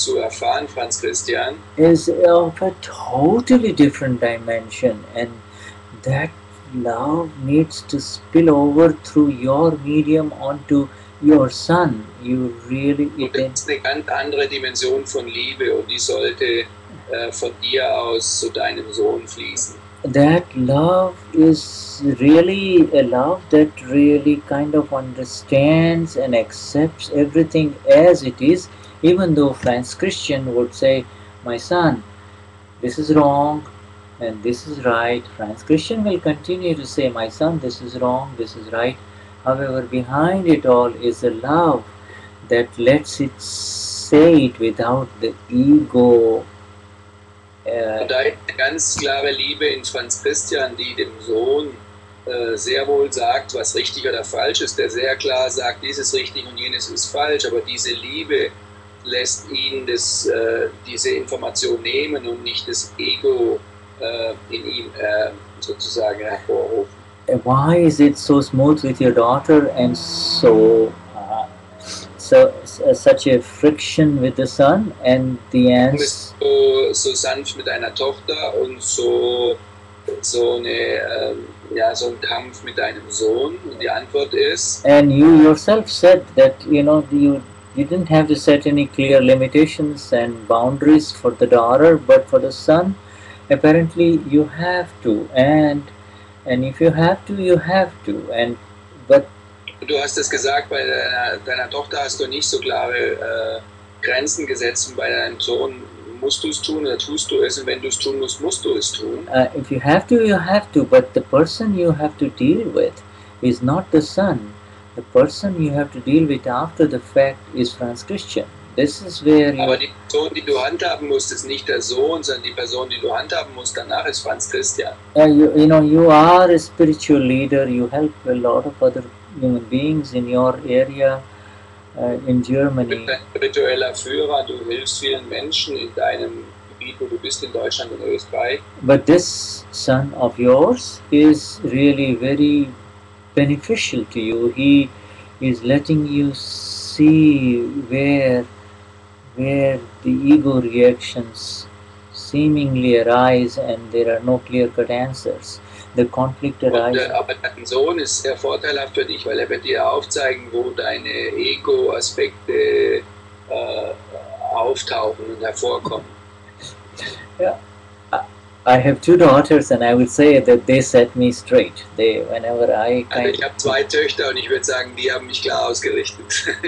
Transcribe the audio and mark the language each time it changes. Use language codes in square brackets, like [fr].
[en] Is of a totally different dimension, and that love needs to spill over through your medium onto your son. You really. It is a [de] ganz andere Dimension von Liebe, und die sollte von dir aus zu deinem Sohn fließen. [en] That love is really a love that really kind of understands and accepts everything as it is, even though Franz Christian would say, my son, this is wrong and this is right. Franz Christian will continue to say, my son, this is wrong, this is right. However, behind it all is a love that lets it say it without the ego. [de] Und da ist eine ganz klare Liebe in Franz Christian, die dem Sohn sehr wohl sagt, was richtig oder falsch ist, der sehr klar sagt, dies ist richtig und jenes ist falsch, aber diese Liebe lässt ihn das, diese Information nehmen und nicht das Ego in ihm sozusagen hervorrufen. [en] Why is it so smooth with your daughter and so such a friction with the son, and the answer [de] so sanft mit deiner Tochter und so ein Kampf mit deinem Sohn, und die Antwort ist, [en] and you yourself said that, you know, you didn't have to set any clear limitations and boundaries for the daughter, but for the son apparently you have to, and if you have to, you have to, and but [de] du hast es gesagt, bei deiner Tochter hast du nicht so klare Grenzen gesetzt, und bei deinem Sohn musst du es tun oder tust du es, und wenn du es tun musst, musst du es tun. [en] If you have to, you have to, but the person you have to deal with is not the son. The person you have to deal with after the fact is Franz Christian. This is where you... [de] Aber die Person, die du handhaben musst, ist nicht der Sohn, sondern die Person, die du handhaben musst, danach ist Franz Christian. [en] You are a spiritual leader, you help a lot of other human beings in your area, in Germany. [de] Du bist ein spiritueller Führer, du hilfst vielen Menschen in deinem Gebiet, wo du bist, in Deutschland und Österreich. [en] But this son of yours is really very beneficial to you. He is letting you see where the ego reactions seemingly arise, and there are no clear-cut answers. The conflict arises. [de] Aber dein Sohn ist sehr vorteilhaft für dich, weil wird dir aufzeigen, wo deine Ego-Aspekte auftauchen und hervorkommen. [en] Yeah. I have two daughters, and I would say that they set me straight. They, whenever I [de] kind also ich habe zwei Töchter, und ich würde sagen, die haben mich klar ausgerichtet.